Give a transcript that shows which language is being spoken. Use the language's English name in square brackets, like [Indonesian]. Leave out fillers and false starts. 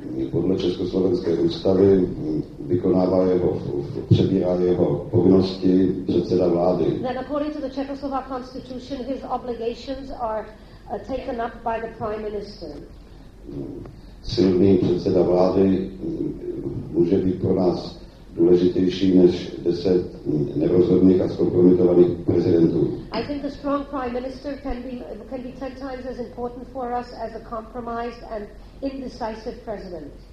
[Czech] podle československé ústavy vykonává jeho, přebírá jeho povinnosti předseda vlády. [English] Then according to the Czechoslovak constitution, his obligations are taken up by the prime minister. [Czech] Silný předseda vlády může být pro nás důležitější než 10 nerozhodných a zkompromitovaných prezidentů. [English] I think a strong prime minister can be 10 times as important for us as a compromised and indecisive president.